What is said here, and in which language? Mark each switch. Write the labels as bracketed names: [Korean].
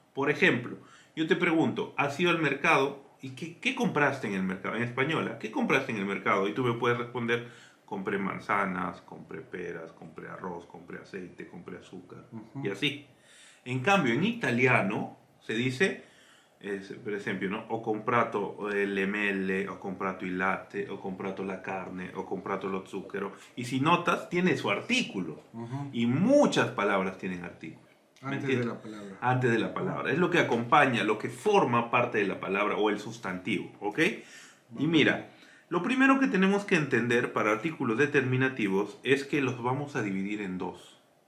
[Spanish] Por ejemplo, yo te pregunto, ¿has ido al mercado? ¿Y qué compraste en el mercado? En española, ¿qué compraste en el mercado? Y tú me puedes responder, compré manzanas, compré peras, compré arroz, compré aceite, compré azúcar, uh-huh. y así. En cambio, en italiano se dice, por ejemplo, ¿no? [Italian] O comprato le mele, o comprato il latte, o comprato la carne, o comprato lo zucchero. [Spanish] Y si notas, tiene su artículo. Uh-huh. Y muchas palabras tienen artículo. Antes de la palabra. Antes de la palabra. Es lo que acompaña, lo que forma parte de la palabra o el sustantivo, ¿ok? Vale. Y mira, lo primero que tenemos que entender para artículos determinativos es que los vamos a dividir en dos.